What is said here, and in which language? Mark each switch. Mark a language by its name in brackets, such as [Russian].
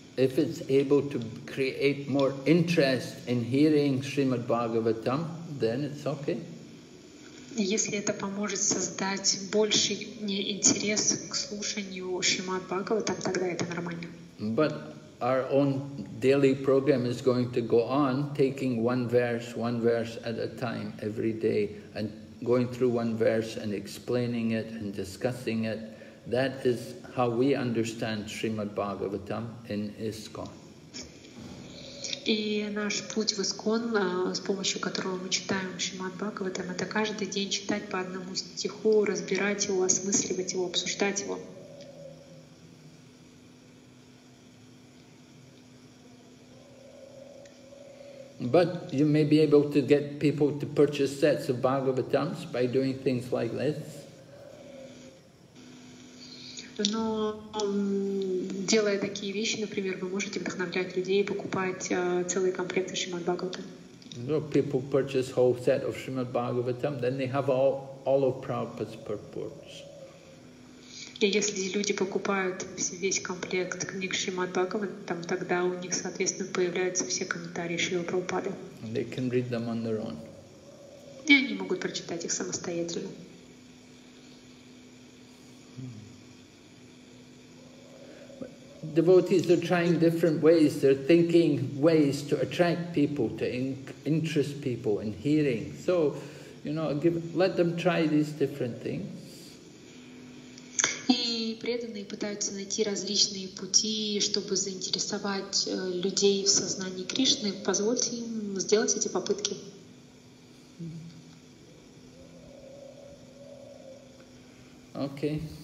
[English] If it's able to create more interest in hearing Shrimad Bhagavatam, then it's okay. [Russian] Если это поможет создать больший интерес к слушанию Шримад Бхагаватам, тогда это нормально. [English] But our own daily program is going to go on, taking one verse at a time every day, and going through one verse and explaining it and discussing it. That is how we understand Srimad Bhagavatam in ISKCON. [Russian] И наш путь в ИСКОН, с помощью которого мы читаем Шримад Бхагаватам, это каждый день читать по одному стиху, разбирать его, осмысливать его, обсуждать его. [English] But you may be able to get people to purchase sets of Bhagavatams by doing things like this. [Russian] Но делая такие вещи, например, вы можете вдохновлять людей покупать целые комплекты Шримад Бхагаватам. [English] people purchase a whole set of Srimad Bhagavatam, then they have all of Prabhupada's purports. [Russian] И если люди покупают весь комплект книг Шримад Бхагаватам, тогда у них, соответственно, появляются все комментарии Шрилы Прабхупады. [English] And they can read them on their own. [Russian] И они могут прочитать их самостоятельно. [English] Devotees are trying different ways. They're thinking ways to attract people, to interest people in hearing. So, you know, let them try these different things. [Russian] Преданные пытаются найти различные пути, чтобы заинтересовать людей в сознании Кришны. Позвольте им сделать эти попытки. [English] Okay.